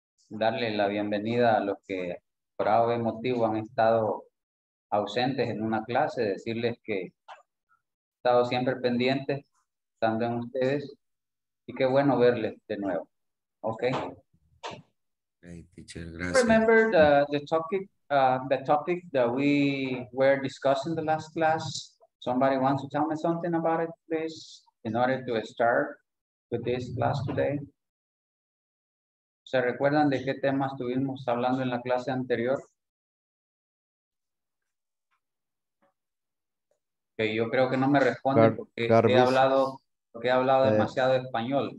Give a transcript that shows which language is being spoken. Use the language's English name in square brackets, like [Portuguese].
[Spanish] Darle la bienvenida a los que por algún motivo han estado ausentes en una clase, decirles que he estado siempre pendiente, estando en ustedes, y qué bueno verles de nuevo. [English] Okay. Hey, teacher, gracias. Remember the topic that we were discussing the last class? Somebody wants to tell me something about it, please, in order to start with this class today. [Spanish] ¿Se recuerdan de qué temas estuvimos hablando en la clase anterior? Yo creo que no me responde porque he hablado demasiado español.